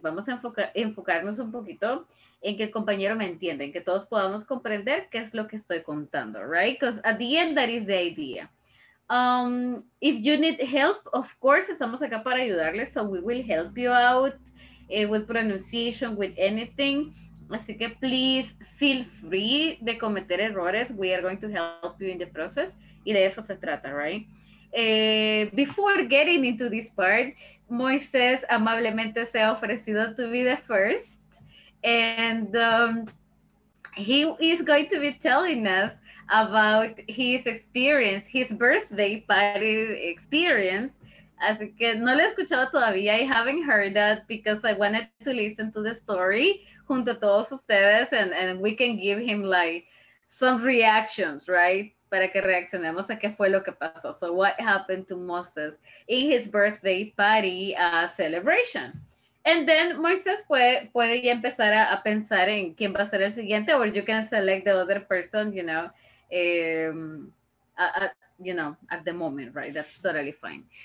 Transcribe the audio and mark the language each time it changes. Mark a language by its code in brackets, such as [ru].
[es] Vamos a enfocarnos un poquito en que el compañero me entienda, en que todos podamos comprender qué es lo que estoy contando, right? [en] Because at the end, that is the idea. If you need help, of course, [es] estamos acá para ayudarles, [en] so we will help you out with pronunciation, with anything. [es] Así que [en] please feel free [es] de cometer errores. [en] We are going to help you in the process. [es] Y de eso se trata, [en] right? Before getting into this part, Moises [es] amablemente se ha ofrecido [en] to be the first. And he is going to be telling us about his experience, his birthday party experience. [es] Así que no lo he escuchado todavía. [en] I haven't heard that because I wanted to listen to the story [es] junto a todos ustedes [en] and we can give him like some reactions, right? [es] Para que reaccionemos a qué fue lo que pasó. [en] So what happened to Moses in his birthday party celebration? And then [es] Moises puede ya empezar a pensar en quién va a ser el siguiente, [en] or you can select the other person, you know, you know, at the moment, right? That's totally fine.